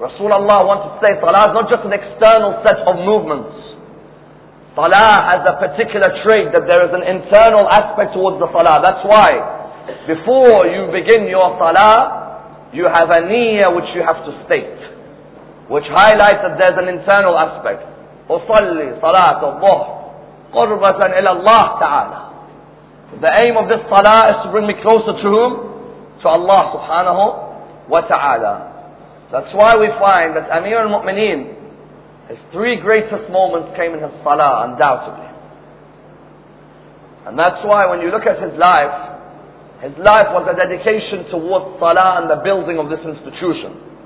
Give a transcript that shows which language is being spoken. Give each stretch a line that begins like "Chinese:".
English: Rasulullah wanted to say Salah is not just an external set of movements. Salah has a particular trait that there is an internal aspect towards the Salah. That's why, before you begin your Salah, you have a niyyah which you have to state, which highlights that there's an internal aspect.
Arabic: أصلي صلاة الظهر قربة إلى الله تعالى.
English: The aim of this salah is to bring me closer to whom? To Allah subhanahu wa ta'ala. That's why we find that Amir al-Mu'mineen, his three greatest moments came in his salah, undoubtedly. And that's why when you look at his life was a dedication towards salah and the building of this institution.